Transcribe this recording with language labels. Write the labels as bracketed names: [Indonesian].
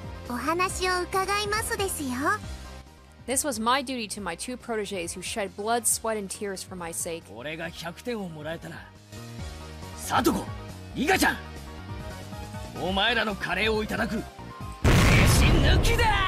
[Japanese] お話を伺いますですよ。 [English] This was my duty to my two protégés who shed blood, sweat, and tears for my sake. [Japanese] 俺が100点をもらえたら、サトコ、リカちゃん、お前らのカレーをいただく、弟子抜きだ!